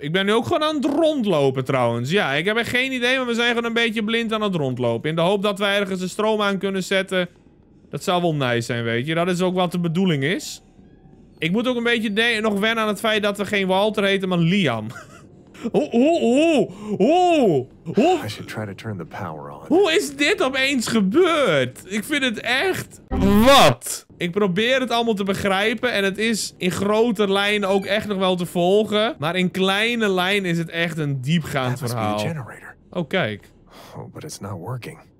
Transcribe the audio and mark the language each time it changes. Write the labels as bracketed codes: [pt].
[nl] Ik ben nu ook gewoon aan het rondlopen trouwens. Ja, ik heb er geen idee, maar we zijn gewoon een beetje blind aan het rondlopen. In de hoop dat we ergens de stroom aan kunnen zetten. Dat zou wel nice zijn, weet je. Dat is ook wat de bedoeling is. Ik moet ook een beetje nog wennen aan het feit dat we geen Walter heten, maar Liam. [en] I should try to turn the power on. [nl] Hoe is dit opeens gebeurd? Ik vind het echt... Wat? Ik probeer het allemaal te begrijpen en het is in grote lijnen ook echt nog wel te volgen. Maar in kleine lijnen is het echt een diepgaand verhaal. [en] That must be a generator. [nl] Oh, kijk. [en] Oh, but it's not working.